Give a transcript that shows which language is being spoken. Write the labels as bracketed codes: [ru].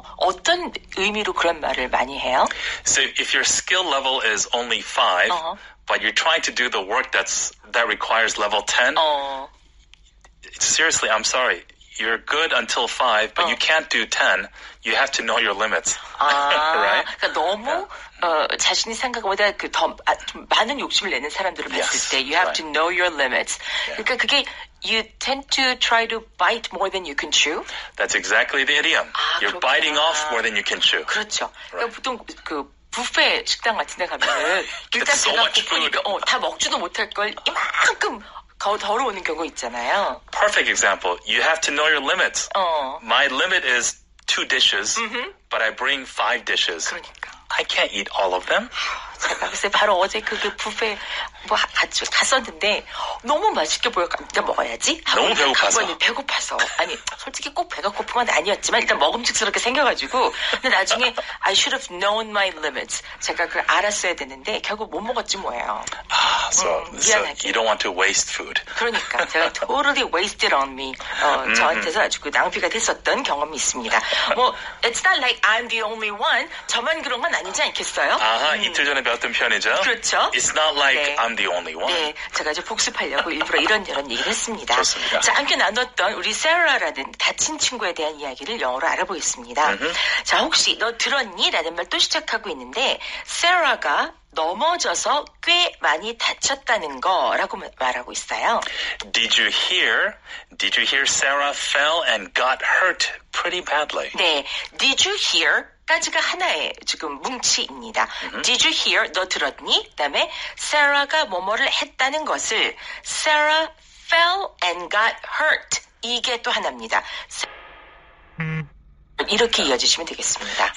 [ko] 어떤 의미로 그런 말을 많이 해요? [en] So if your skill level is only 5, but you're trying to do the work that requires level 10. Seriously, I'm sorry. You're good until 5, but you can't do 10. You have to know your limits. right? [ko] 그러니까 너무 자신이 생각보다 그 더 많은 욕심을 내는 사람들을 봤을 때 [en] you have to know your limits. Yeah. [ko] 그러니까 그게 [en] you tend to try to bite more than you can chew. That's exactly the idiom. You're biting off more than you can chew. [ko] 그렇죠. [en] Right. [ko] 그러니까 보통 그 뷔페 식당 같은 데 가면은 일단 [en] so [ko] 배가 고프니까 다 먹지도 못할 걸 이만큼 덜어오는 경우 있잖아요. [en] Perfect example. You have to know your limits. My limit is 2 dishes, but I bring 5 dishes. [ko] 그러니까. [en] I can't eat all of them. [ko] 제가 글쎄 바로 어제 그 뷔페 뭐 같이 갔었는데 너무 맛있게 보여가지고 먹어야지. 너무 배고파서. 배고파서. 아니 솔직히 꼭 배가 고픈 건 아니었지만 일단 먹음직스럽게 생겨가지고. 근데 나중에 [en] I should have known my limits. [ko] 제가 그걸 알았어야 되는데 결국 못 먹었지 뭐예요. [en] So you don't want to waste food. [ko] 그러니까 제가 [en] totally wasted on me. [ko] 저한테서 아주 그 낭비가 됐었던 경험이 있습니다. [en] 뭐 it's not like I'm the only one. [ko] 저만 그런 건 아니지 않겠어요? 이틀 전에 배웠던 표현이죠. 그렇죠. [en] It's not like 네. I'm the only one. [ko] 네, 제가 이제 복습하려고 일부러 이런 얘기를 했습니다. 좋습니다. 자, 함께 나눴던 우리 세라라는 다친 친구에 대한 이야기를 영어로 알아보겠습니다. 자, 혹시 너 들었니? 라는 말 또 시작하고 있는데 세라가 넘어져서 꽤 많이 다쳤다는 거라고 말하고 있어요. [en] Did you hear? Did you hear Sarah fell and got hurt pretty badly? 네, did you hear? [ko] 까지가 하나의 지금 뭉치입니다. [en] Did you hear? [ko] 너 들었니? 그다음에 Sarah가 뭐뭐를 했다는 것을 [en] Sarah fell and got hurt. [ko] 이게 또 하나입니다. 이렇게 이어지시면 되겠습니다.